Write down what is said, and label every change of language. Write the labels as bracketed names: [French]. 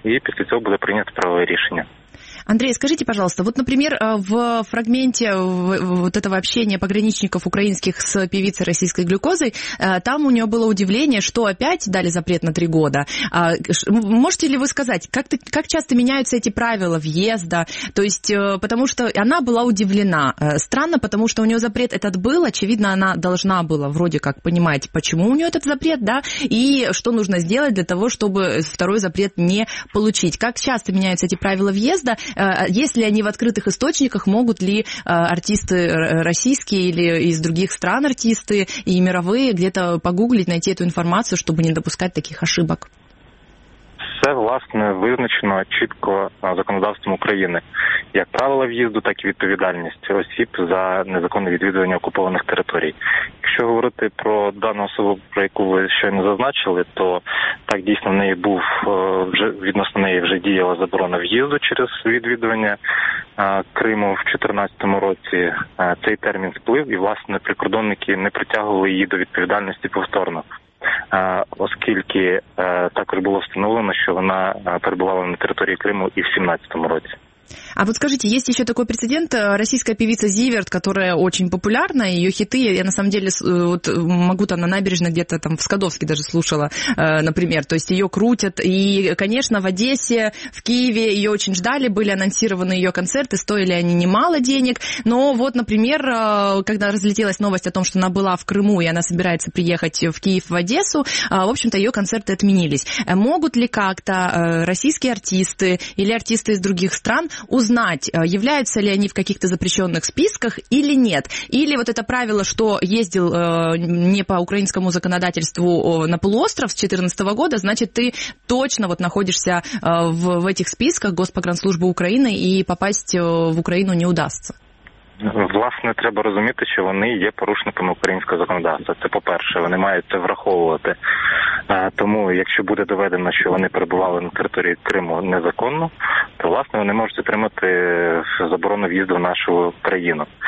[Ukrainian] І після цього буде прийнято правове рішення. [Russian] Андрей, скажите, пожалуйста, вот, например, в фрагменте вот этого общения пограничников украинских с певицей российской Глюкозой, там у нее было удивление, что опять дали запрет на 3 года. Можете ли вы сказать, как часто меняются эти правила въезда? То есть, потому что она была удивлена. Странно, потому что у нее запрет этот был, очевидно, она должна была вроде как понимать, почему у нее этот запрет, да, и что нужно сделать для того, чтобы второй запрет не получить. Как часто меняются эти правила въезда? Есть ли они в открытых источниках, могут ли артисты российские или из других стран артисты и мировые где-то погуглить, найти эту информацию, чтобы не допускать таких ошибок? [Ukrainian] Все, власне, визначено чітко законодавством України. Як правила в'їзду, так і відповідальність осіб за незаконне відвідування окупованих територій. Якщо говорити про дану особу, про яку ви щойно зазначили, то так дійсно в неї був, вже відносно неї вже діяла заборона в'їзду через відвідування Криму в 2014 році. Цей термін сплив, і, власне, прикордонники не притягували її до відповідальності повторно. Оскільки також було встановлено, що вона перебувала на території Криму і в 2017 році. [Russian] А вот скажите, есть еще такой прецедент, российская певица Зиверт, которая очень популярна, ее хиты, я на самом деле вот могу там на набережной где-то там в Скадовске даже слушала, например, то есть ее крутят, и, конечно, в Одессе, в Киеве ее очень ждали, были анонсированы ее концерты, стоили они немало денег, но вот, например, когда разлетелась новость о том, что она была в Крыму, и она собирается приехать в Киев, в Одессу, в общем-то, ее концерты отменились. Могут ли как-то российские артисты или артисты из других стран узнать, являются ли они в каких-то запрещенных списках или нет. Или вот это правило, что ездил не по украинскому законодательству на полуостров с 2014 года, значит, ты точно вот находишься в этих списках Госпогранслужбы Украины и попасть в Украину не удастся. [Ukrainian] Власне, треба розуміти, що вони є порушниками українського законодавства. Це по-перше, вони мають це враховувати. Тому, якщо буде доведено, що вони перебували на території Криму незаконно, то, власне, вони можуть отримати заборону в'їзду в нашу країну.